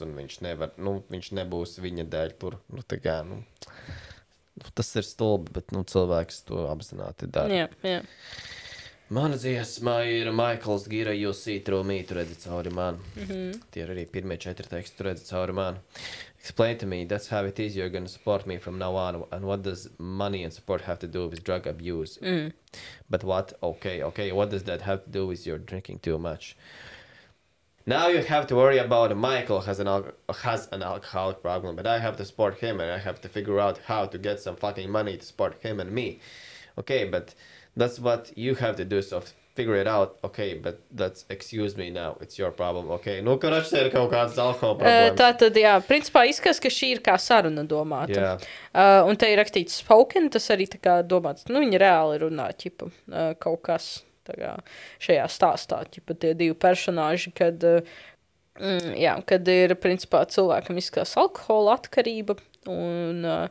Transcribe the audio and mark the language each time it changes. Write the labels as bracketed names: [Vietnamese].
[Latvian] un viņš nevar, nu, viņš nebūs viņa dēļ tur, nu, tā kā, nu, tas ir stulbi, bet, nu, cilvēks to apzināti dara. Jā, jā. Mana dziesma ir Michael's Gira, You See Through Me, tu redzi cauri mani. Mm-hmm. Tie ir arī pirmie četri teksti, tu redzi cauri mani. [English] Explain to me, that's how it is, you're gonna support me from now on, and what does money and support have to do with drug abuse? Mm. But what? Okay, what does that have to do with your drinking too much? Now you have to worry about Michael has an alcoholic problem, but I have to support him, and I have to figure out how to get some fucking money to support him and me. Okay, but that's what you have to do, so figure it out, okay, but that's, excuse me now, it's your problem, okay. [Latvian] Nu, karoši, tā ir kaut kāds alkohola problēma. Tātad, jā, principā izskatās, ka šī ir kā saruna domāta. Jā. Un te ir rakstīts spoken, tas arī tā kā domāts, nu, viņi reāli runā, ķipa, kaut kas, tā kā, šajā stāstā, ķipa, tie divi personāži, kad, jā, kad ir, principā, cilvēkam izskatās alkohola atkarība, un